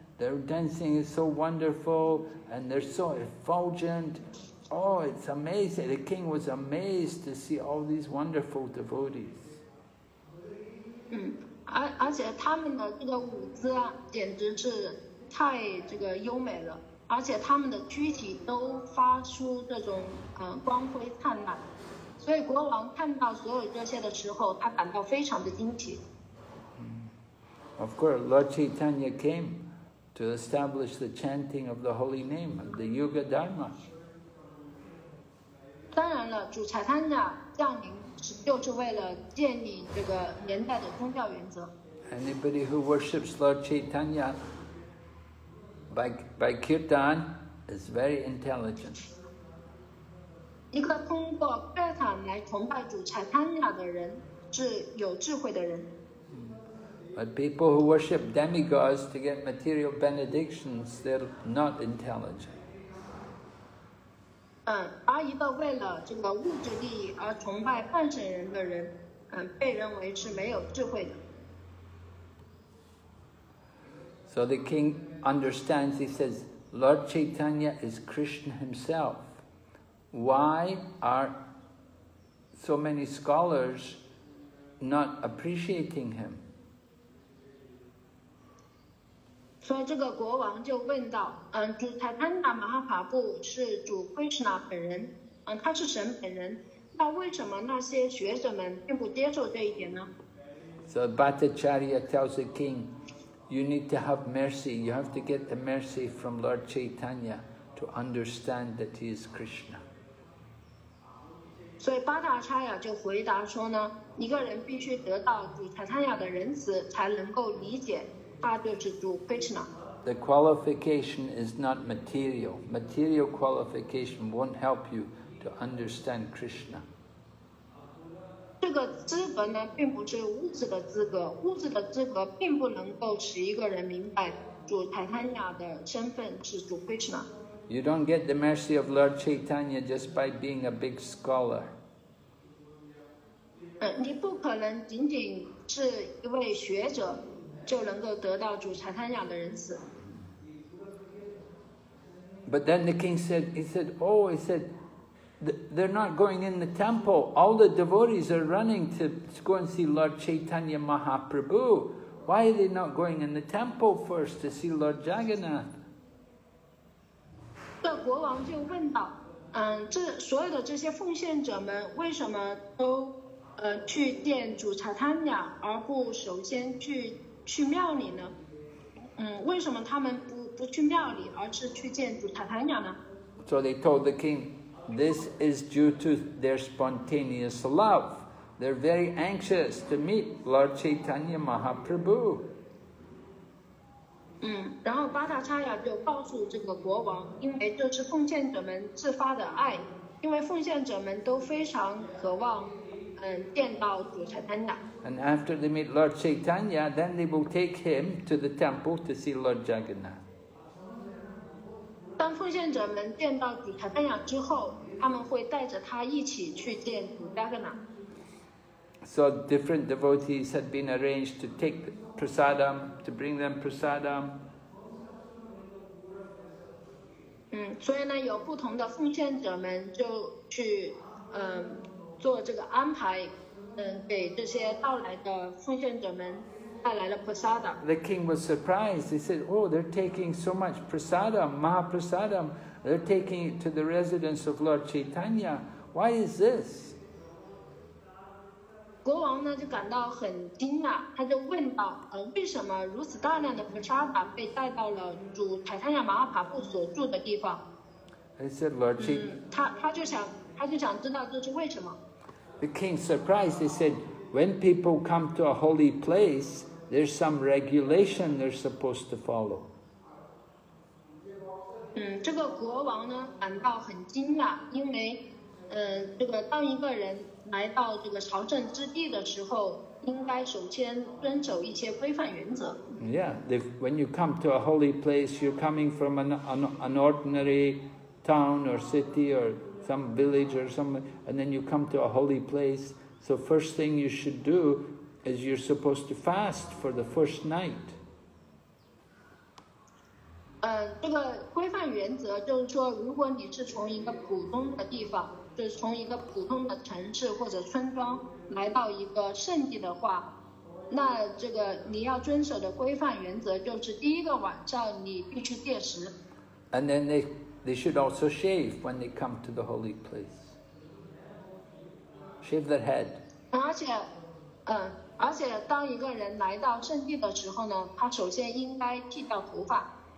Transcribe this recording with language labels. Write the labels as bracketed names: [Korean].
[English] Their dancing is so wonderful, and they're so effulgent. Oh, it's amazing. The king was amazed to see all these wonderful devotees. [Chinese] 而且他们的这个舞姿啊，简直是太这个优美了，而且他们的躯体都发出这种光辉灿烂。所以国王看到所有这些的时候，他感到非常的惊奇。 [English] Of course, Lord Chaitanya came. to establish the chanting of the holy name, the Yuga Dharma. [Chinese] 当然了，主财参加降临就是为了建立这个年代的宗教原则。 [English] Anybody who worships Lord Chaitanya by kirtan is very intelligent. [Chinese] 一个通过 kirtan 来崇拜主财参加的人是有智慧的人。 [English] But people who worship demigods to get material benedictions, they're not intelligent. [Chinese] 而一个为了这个物质利益而崇拜半神人的人，被认为是没有智慧的。 [English] So the king understands, he says, Lord Chaitanya is Krishna himself. Why are so many scholars not appreciating him? [Chinese] 所以这个国王就问道，主财参加马哈帕布是主 Krishna 本人，他是神本人，那为什么那些学者们并不接受这一点呢？ [English] So Bhattacharya tells the king, you need to have mercy, you have to get the mercy from Lord Chaitanya to understand that he is Krishna. [Chinese] 所以巴达查亚就回答说呢，一个人必须得到主财参加的仁慈才能够理解。 [English] The qualification is not material. Material qualification won't help you to understand Krishna. [Chinese] 这个资格呢，并不是物质的资格。物质的资格并不能够使一个人明白主台坦亚的身份是主 Krishna。 [English] You don't get the mercy of Lord Chaitanya just by being a big scholar. [Chinese] 你不可能仅仅是一位学者。就能够得到主财参加的仁慈。 [English] But then the king said, he said, oh, he said, they're not going in the temple. All the devotees are running to go and see Lord Chaitanya Mahaprabhu. Why are they not going in the temple first to see Lord Jagannath? [Chinese] 这国王就问道，这所有的这些奉献者们为什么都去见主财参加，而不首先去庙里呢？为什么他们不去庙里，而是去见主塔坦雅呢？ [English] So they told the king, this is due to their spontaneous love. They're very anxious to meet Lord Chaitanya Mahaprabhu. [Chinese] 然后巴达查亚就告诉这个国王，因为这是奉献者们自发的爱，因为奉献者们都非常渴望。 [English] And after they meet Lord Chaitanya, then they will take him to the temple to see Lord Jagannath. [Chinese] 当奉献者们见到主财参加之后，他们会带着他一起去见主 Jagannath. [English] So different devotees had been arranged to take prasadam, to bring them prasadam. [Chinese] 所以呢，有不同的奉献者们就去，做这个安排，给这些到来的奉献者们带来了 prasada。 [English] The king was surprised. He said, "Oh, they're taking so much prasada, maha prasada. They're taking it to the residence of Lord Chaitanya. Why is this?" [Chinese] 国王呢就感到很惊讶，他就问道，为什么如此大量的 prasada 被带到了主财参加马哈帕布所住的地方？ [English] He said, "Lord Chait." [Chinese] 他就想知道这是为什么。 [English] The king surprised, he said, when people come to a holy place, there's some regulation they're supposed to follow. [Chinese] 这个国王呢感到很惊讶，因为这个当一个人来到这个朝政之地的时候，应该首先遵守一些规范原则。 [English] When you come to a holy place, you're coming from an ordinary town or city orsome village or some, and then you come to a holy place. So first thing you should do is you're supposed to fast for the first night. [Chinese] 这个规范原则就是说，如果你是从一个普通的地方，就是从一个普通的城市或者村庄来到一个圣地的话，那这个你要遵守的规范原则就是第一个晚上你必须戒食。 [English] And then they should also shave when they come to the holy place. Shave their head. [Chinese] 而且当一个人来到圣地的时候呢，他首先应该剃掉头发。